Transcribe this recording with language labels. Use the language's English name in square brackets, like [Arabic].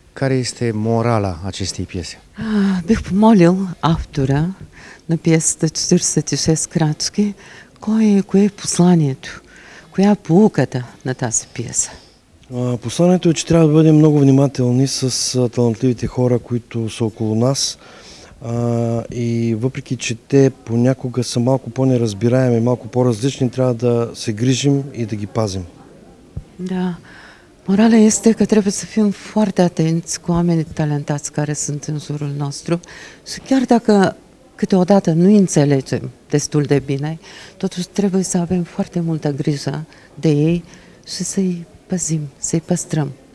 [Romanian] Care este morala acestei piese? Bych pomolil автора на пьесы 46 крачки, кое посланието, коя пулката на тази пьеса? [Bulgarian] Посланието е, че трябва да бъдем много внимателни с талантливите хора, които са около нас. И въпреки, че те понякога са малко по-неразбираеми, малко по-различни, трябва да се грижим и да ги пазим. Да. [Romanian] Morala este că trebuie să fim foarte atenți cu oamenii talentați care sunt în jurul nostru și chiar dacă câteodată nu înțelegem destul de bine, totuși trebuie să avem foarte multă grijă de ei și să-i păzim, să-i păstrăm.